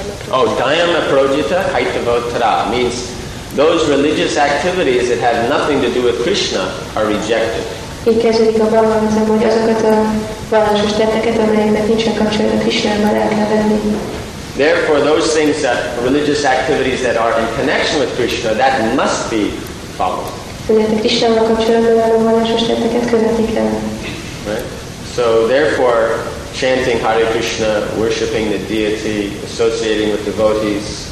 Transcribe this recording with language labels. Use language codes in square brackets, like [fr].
[en] Oh, Dharma Projita, Kaitavottara, means those religious activities that have nothing to do with Krishna are rejected. [hu] Így kezdődik a Bhagavatam, hogy azokat a vallásos tetteket, amelyeknek nincsen kapcsolat a Krishnával, el kell venni. [en] Therefore, those things that religious activities that are in connection with Krishna, that must be followed. [hu] Tehát a Krishnával kapcsolatban álló vallásos tetteket követni kell. [en] Right? So therefore, chanting Hare Krishna, worshipping the deity, associating with devotees.